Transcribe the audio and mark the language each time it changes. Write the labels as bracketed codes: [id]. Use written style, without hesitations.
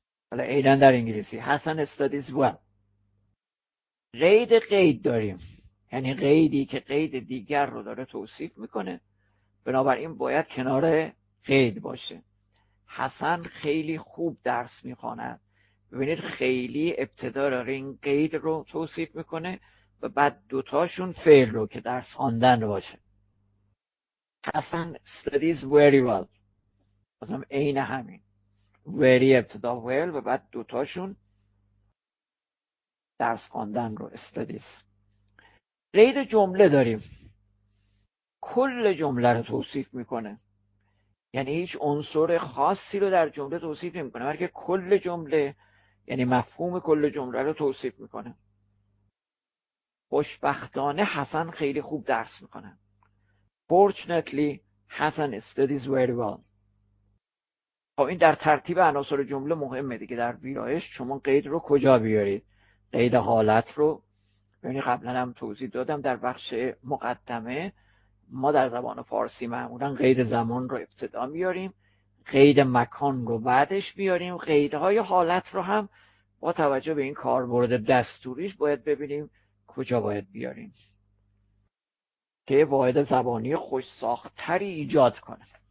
[fa] حالا عیناً در انگلیسی حسن استادیز well. قید قید داریم، یعنی قیدی که قید دیگر رو داره توصیف میکنه، بنابراین باید کنار قید باشه. حسن خیلی خوب درس میخواند. ببینید خیلی ابتدا داره این قید رو توصیف میکنه و بعد دوتاشون فعل رو که درس خواندن رو باشه. [en] حسن studies very well. [fa] بازم این همین. Very ابتدا well و بعد دوتاشون درس خواندن رو studies. قید جمله داریم، کل جمله رو توصیف میکنه. یعنی هیچ عنصر خاصی رو در جمله توصیف نمی‌کنه، بلکه کل جمله، یعنی مفهوم کل جمله رو توصیف می‌کنه. خوشبختانه حسن خیلی خوب درس می‌کنه. [en] Fortunately, Hasan studies very well. [fa] خب این در ترتیب عناصر جمله مهمه دیگه. در ویرایش شما قید رو کجا بیارید؟ قید حالت رو. یعنی قبلا هم توضیح دادم در بخش مقدمه، ما در زبان فارسی معمولا قید زمان رو ابتدا میاریم، قید مکان رو بعدش میاریم، قیدهای حالت رو هم با توجه به این کاربرد دستوریش باید ببینیم کجا باید بیاریم که واحد زبانی خوش ساختری ایجاد کنه.